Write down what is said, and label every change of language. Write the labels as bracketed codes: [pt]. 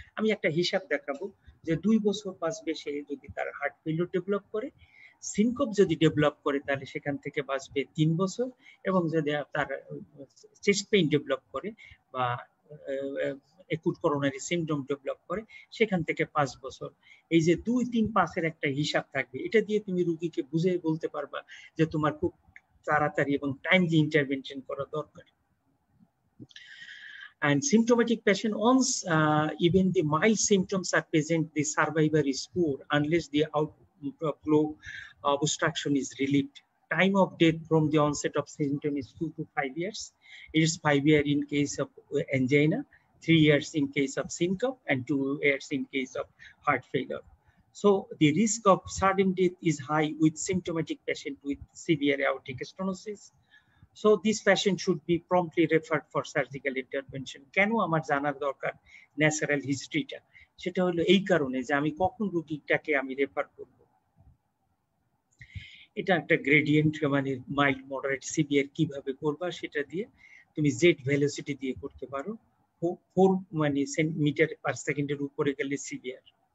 [bn] আমি একটা হিসাব দেখাবো যে 2 বছর বাঁচবে সে যদি তার হার্ট ফেলিওর ডেভেলপ করে, সিনকোপ যদি ডেভেলপ করে তাহলে সেখান থেকে বাঁচবে 3 বছর, এবং যদি তার চেস্ট পেইন ডেভেলপ করে বা একুট করোনারি সিমটম ডেভেলপ করে সেখান থেকে 5 বছর। এই যে 2-3-5-এর একটা হিসাব থাকবে, এটা দিয়ে তুমি রুগীকে বুঝে বলতে পারবা যে তোমার খুব তাড়াতাড়ি এবং টাইমলি ইন্টারভেনশন করা দরকার। [en] And symptomatic patient, once even the mild symptoms are present, the survivor is poor unless the outflow obstruction is relieved. Time of death from the onset of symptom is 2 to 5 years. It is 5 years in case of angina, 3 years in case of syncope, and 2 years in case of heart failure. So the risk of sudden death is high with symptomatic patient with severe aortic stenosis. So this patient should be promptly referred for surgical intervention. [bn] কেন আমার জানার দরকার natural হিস্ট্রিটা? সেটা হলো এই কারণে যে আমি কখন রুগীটাকে আমি রেফার করব। এটা একটা গ্রেডিয়েন্ট, মানে মাইল্ড মডারেট সিভিয়ার কিভাবে করবা সেটা দিয়ে তুমি জেড ভেলোসিটি দিয়ে করতে পারো, 4 মিটার/সেকেন্ডের উপরে গেলে সিভিয়ার।